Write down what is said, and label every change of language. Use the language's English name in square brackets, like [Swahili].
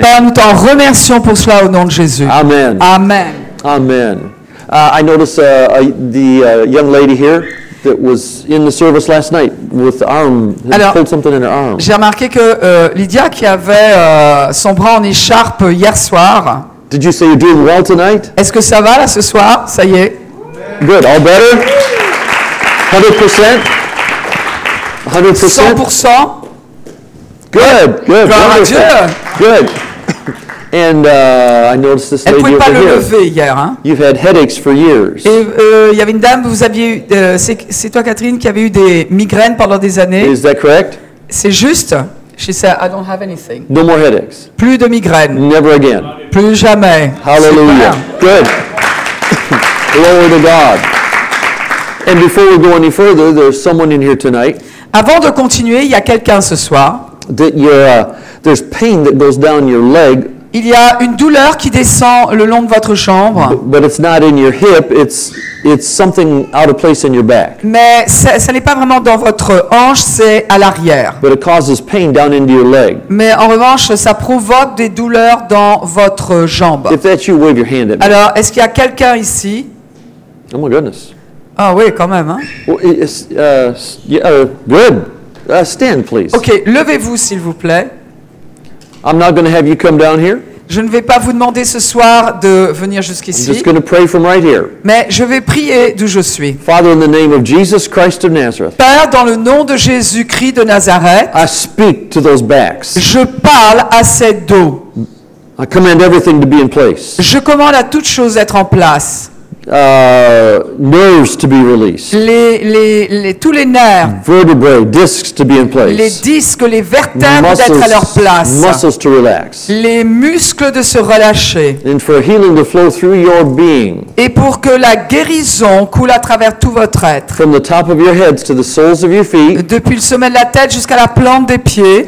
[French] Père, nous t'en remercions pour cela au nom de Jésus. Amen. Amen. Amen. [English] I noticed young lady here that was in the service last night with the arm. [French] Alors, [English] pulled something in her arm. [French] J'ai remarqué que Lydia qui avait son bras en écharpe hier soir. [English] Did you say you're doing well tonight? [French] Est-ce que ça va là ce soir? Ça y est. [English] Good. All better. 100%. 100%. Good. Good. [French] Gloire à Dieu. [English] Good. And I noticed this [French] elle [English] lady [French] pouvait pas [English] over [French] le [English] here. [French] Lever hier. Hein? [English] You've had headaches for years. [French] Et il y avait une dame, vous aviez, c'est toi Catherine qui avait eu des migraines pendant des années. [English] Is that correct? [French] C'est juste. [English] She said, I don't have anything. No more headaches. [French] Plus de migraines. [English] Never again. [French] Plus jamais. [English] Hallelujah. Good. Glory to God. And before we go any further, there's someone in here tonight. [French] Avant de continuer, il y a quelqu'un ce soir. [English] That there's pain that goes down your leg. [French] Il y a une douleur qui descend le long de votre jambe. [English] But it's not in your hip, it's something out of place in your back. [French] Mais ça n'est pas vraiment dans votre hanche, c'est à l'arrière. [English] But it causes pain down into your leg. [French] Mais en revanche, ça provoque des douleurs dans votre jambe. [English] If that's you, wave your hand at me. [French] Alors, est-ce qu'il y a quelqu'un ici? [English] Oh my goodness. [French] Ah oui, quand même, hein? [English] Well, good. Stand, please. [French] OK, levez-vous, s'il vous plaît. [English] I'm not going to have you come down here. [French] Je ne vais pas vous demander ce soir de venir jusqu'ici. [English] I'm just going to pray from right here. [French] Mais je vais prier d'où je suis. [English] Father, in the name of Jesus Christ of Nazareth, [French] Père, dans le nom de Jésus-Christ de Nazareth, [English] I speak to those backs. [French] Je parle à ces dos. [English] I command everything to be in place. [French] Je commande à toutes choses d'être en place. [English] Nerves to be released. [French] Tous les nerfs. [English] Vertebrae, discs to be in place. [French] Les disques, les vertèbres muscles, d'être à leur place. [English] Muscles to relax. [French] Les muscles de se relâcher. [English] And for healing to flow through your being. [French] Et pour que la guérison coule à travers tout votre être. [English] From the top of your heads to the soles of your feet. [French] Depuis le sommet de la tête jusqu'à la plante des pieds.